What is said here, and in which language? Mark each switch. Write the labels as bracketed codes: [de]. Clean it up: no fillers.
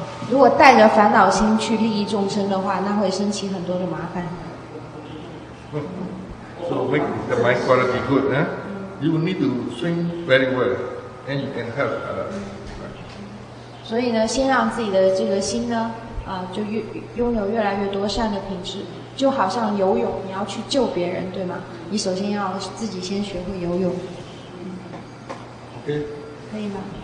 [zh] 如果带着烦恼心去利益众生的话，那会生起很多的麻烦。 [en] So make the mind quality good, huh? You need to think very well, and you can help other. [zh] 所以呢，先让自己的这个心呢，就拥有越来越多善的品质，就好像游泳，你要去救别人，对吗？你首先要自己先学会游泳。 [en] OK。 [zh] 可以吗？